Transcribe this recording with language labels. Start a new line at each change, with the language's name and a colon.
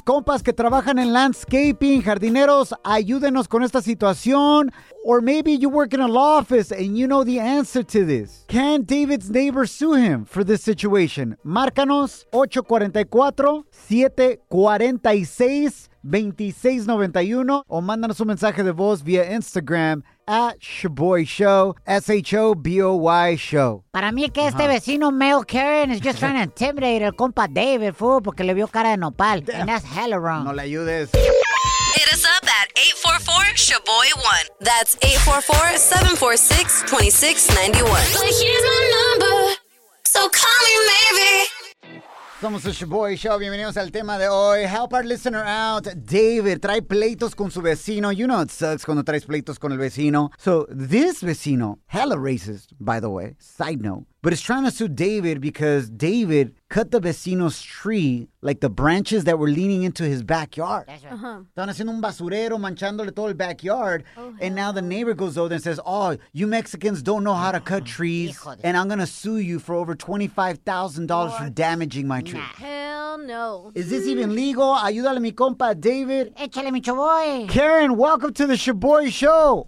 Spanish: Compas que trabajan en landscaping, jardineros, ayúdenos con esta situación.
English: Or maybe you work in a law office and you know the answer to this. Can David's neighbor sue him for this situation?
Spanish: Márcanos 844-746-2691 o mándanos un mensaje de voz via Instagram at Shaboy Show, S-H-O-B-O-Y Show. Para mí que este vecino Mel Karen
English: is just trying to intimidate
Spanish: el compa David, fool, porque le vio cara de nopal.
English: Damn. And that's hella wrong.
Spanish: No le ayudes.
English: Hit us up at 844-SHABOY1. That's 844-746-2691. But here's my number, so call me maybe.
Spanish: Somos el Shaboy Show. Bienvenidos al tema de hoy.
English: Help our listener out.
Spanish: David, trae pleitos con su vecino.
English: You know it sucks
Spanish: cuando traes pleitos con el vecino.
English: So this vecino, hella racist, by the way, side note, but is trying to sue David because David cut the vecino's tree, like the branches that were leaning into his backyard. That's right. Uh-huh.
Spanish: Están haciendo un basurero, manchándole todo el backyard.
English: Oh, and now the neighbor goes over and says, oh, you Mexicans don't know how to cut trees. And I'm going to sue you for over $25,000 for damaging my tree. Nah. Hell no. Is this even legal?
Spanish: Ayúdale mi compa,
English: David.
Spanish: Échale mi choboy.
English: Karen, welcome to the Shaboy Show.